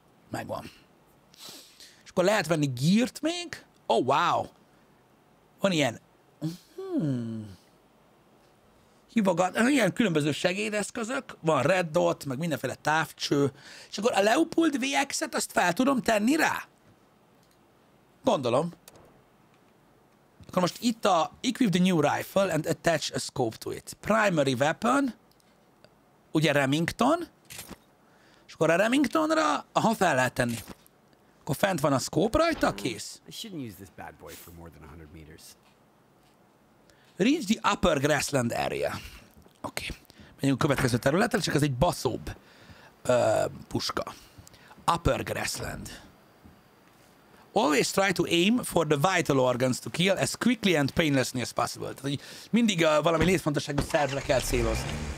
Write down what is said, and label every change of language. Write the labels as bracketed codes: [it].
[hu] Megvan. És akkor lehet venni gírt még? [en] Oh, wow! [hu] Van ilyen... hivagat, ilyen különböző segédeszközök, van red dot, meg mindenféle távcső, és akkor a Leupold VX-et azt fel tudom tenni rá? Gondolom. Akkor most itt a [en] equip the new rifle and attach a scope to it. [hu] Primary weapon, ugye Remington, és akkor a Remingtonra, aha, fel lehet tenni. Akkor fent van a scope rajta, kész. [en] I shouldn't use this bad boy for more than 100 meters. Reach the upper grassland area. Oké. Okay. [hu] Menjünk a következő területre, csak ez egy baszóbb puska. [en] Upper grassland. Always try to aim for the vital organs to kill as quickly and painlessly as possible. [hu] Tehát, hogy mindig valami létfontosságú szervre kell célozni.